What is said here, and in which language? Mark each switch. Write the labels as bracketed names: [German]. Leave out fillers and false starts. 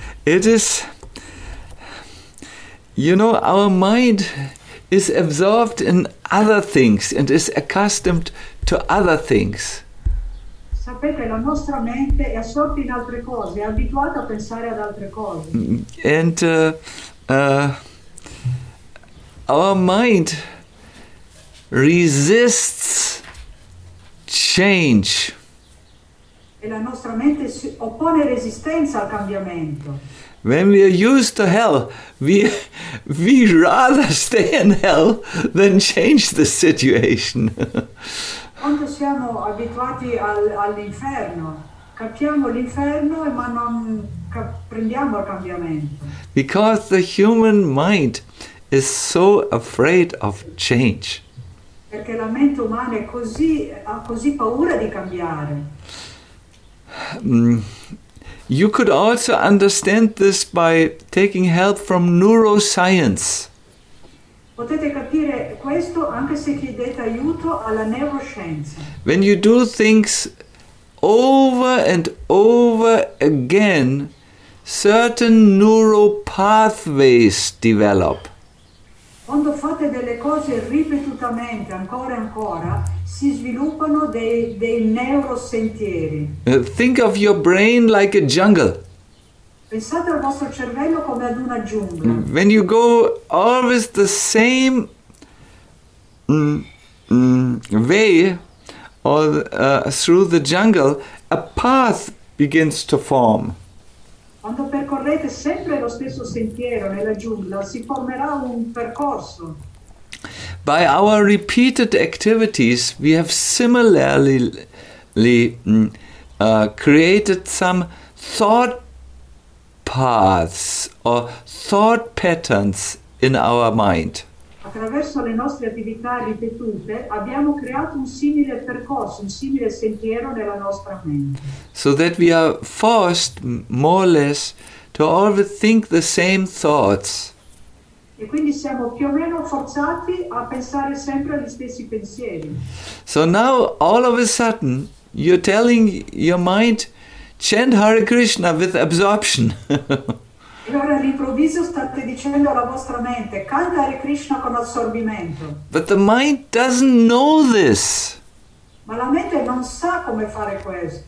[English] It is, you know, our mind is absorbed in other things and is accustomed to other things. [Italian] Sapete, la nostra mente è assorta in altre cose, è abituata a pensare ad altre cose. [English] And our mind resists change. [Italian] E la nostra mente si oppone resistenza al cambiamento. [English] When we are used to hell, we rather stay in hell than change the situation. [Italian] Quando siamo abituati all'inferno, capiamo l'inferno, ma non prendiamo il cambiamento. [English] Because the human mind is so afraid of change. [Italian] Perché la mente umana è così, ha così paura di cambiare. [English] You could also understand this by taking help from neuroscience. [Italian] Potete capire questo anche se chiedete aiuto alla neuroscienza. [English] When you do things over and over again, certain neural pathways develop. [Italian] Quando fate delle cose ripetutamente, ancora e ancora, si sviluppano dei neurosentieri. [English] Think of your brain like a jungle. [Italian] Pensate al vostro cervello come ad una giungla. [English] When you go always the same way or through the jungle, a path begins to form. [Italian] Quando percorrete sempre lo stesso sentiero nella giungla, si formerà un percorso. [English] By our repeated activities, we have similarly created some thought paths or thought patterns in our mind. [Italian] Attraverso le nostre attività ripetute, abbiamo creato un simile percorso, un simile sentiero nella nostra mente. [English] So that we are forced, more or less, to always think the same thoughts. [Italian] E quindi siamo più o meno forzati a pensare sempre agli stessi pensieri. [English] So now, all of a sudden, you're telling your mind, chant Hare Krishna with absorption. [Italian] E ora all'improvviso state dicendo alla vostra mente, canta Hare Krishna con assorbimento. [English] But the mind doesn't know this. [Italian] Ma la mente non sa come fare questo.